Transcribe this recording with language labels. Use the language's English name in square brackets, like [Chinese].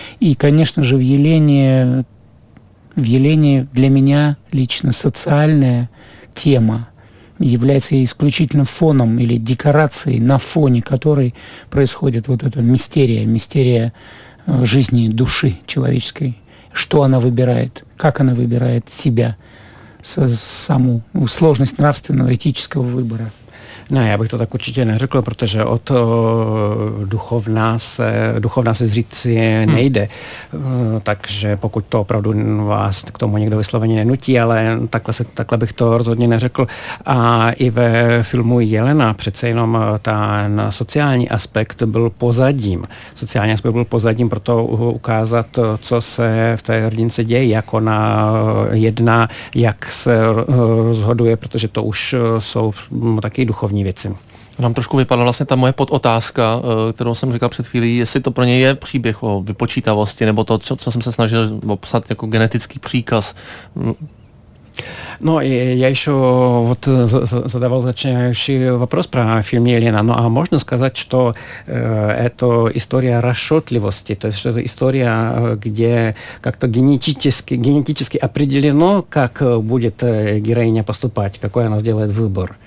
[Russian] И, конечно же, в Елене для меня лично социальная тема является исключительно фоном или декорацией, на фоне которой происходит вот эта мистерия жизни, души человеческой. Что она выбирает, как она выбирает себя, саму сложность нравственного, этического выбора. [Czech] Ne, já bych to tak určitě neřekl, protože od duchovna se zříci nejde. Takže pokud to opravdu vás k tomu někdo vysloveně nenutí, ale takhle bych to rozhodně neřekl. A i ve filmu Jelena přece jenom ten sociální aspekt byl pozadím. Sociální aspekt byl pozadím pro to ukázat, co se v té rodince děje, jak ona jedná, jak se rozhoduje, protože to už jsou taky duchovní věci. Nám trošku vypadla vlastně ta moje podotázka, kterou jsem říkal před chvílí, jestli to pro něj je příběh o vypočítavosti, nebo to, co jsem se snažil popsat jako genetický příkaz. [Russian] No, я еще вот задавал уточняющий вопрос про фильм «Елена». Ну, а можно сказать, что это история расчетливости, то есть это история, где как-то генетически определено, как будет героиня поступать, какой она сделает выбор?